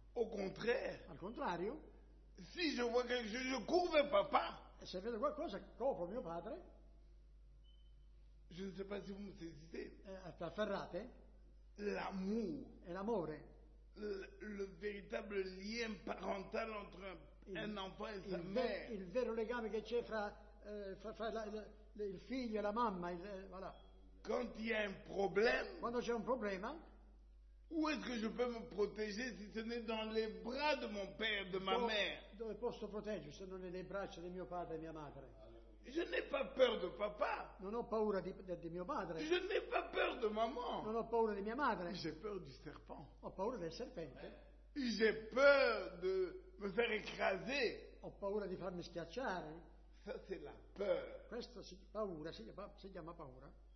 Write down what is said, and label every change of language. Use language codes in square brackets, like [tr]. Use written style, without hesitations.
[fr] Au contraire. [it] Al contrario. [fr] Si je vois quelque chose, je cours vers papa. [it] Se vedo qualcosa, copro mio padre. [fr] Je ne sais pas si vous me saisissez. [it] Afferrate? [fr] L'amour. [it] È l'amore. [fr] Le véritable lien parental entre un enfant et sa mère. [it] Il vero legame che c'è fra il figlio e la mamma, voilà. [fr] Quand il y a un problème. [it] Quando c'è un problema. [fr] Où est-ce que je peux me protéger si ce n'est dans les bras de mon père, de ma mère? [it] Dove posso proteggermi se non nelle braccia di mio padre e mia madre? [fr] Je n'ai pas peur de papa. [it] Non ho paura di mio padre. [fr] Je n'ai pas peur de maman. [it] Non ho paura di mia madre. [fr] J'ai peur du serpent. [it] Ho paura del serpente. [fr] J'ai peur de me faire écraser. [it] Ho paura di farmi schiacciare. [fr] Ça c'est la peur. [it] Questa paura si chiama paura.